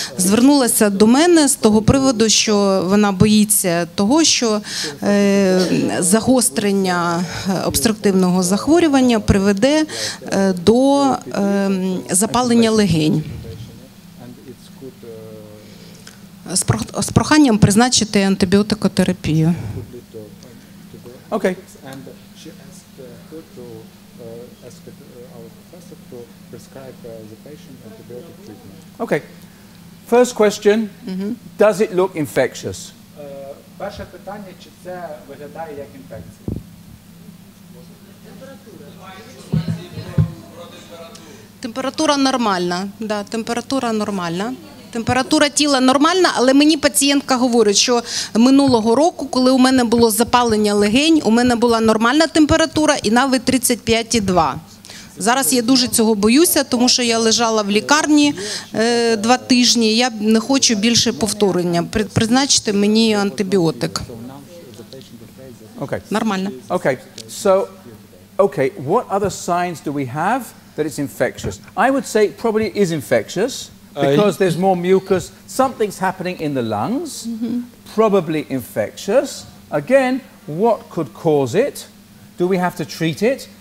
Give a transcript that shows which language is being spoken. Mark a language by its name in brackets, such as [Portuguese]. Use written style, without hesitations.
[Ukrainian] Звернулася до мене з того приводу, що вона боїться того, що загострення обструктивного захворювання приведе до запалення легень. З проханням призначити антибіотикотерапію. [English] Okay. And she asked her to ask our professor to prescribe the patient antibiotic treatment. Okay. First question, does it look infectious? [Ukrainian] Перше питання, чи це виглядає як інфекція? Температура нормальна. Температура тіла нормальна, але мені пацієнтка говорить, що минулого року, коли у мене було запалення легень, у мене була нормальна температура і навіть 35,2. Зараз я дуже цього боюся, тому що я лежала в лікарні 2 тижні. Я не хочу більше повторення. Призначити мені антибіотик. [English] Okay. [Ukrainian] Нормально. [English] Okay. So, okay, what other signs do we have that it's infectious? I would say probably is infectious. Because there's more mucus, something's happening in the lungs, probably infectious. Again, what could cause it? Do we have to treat it?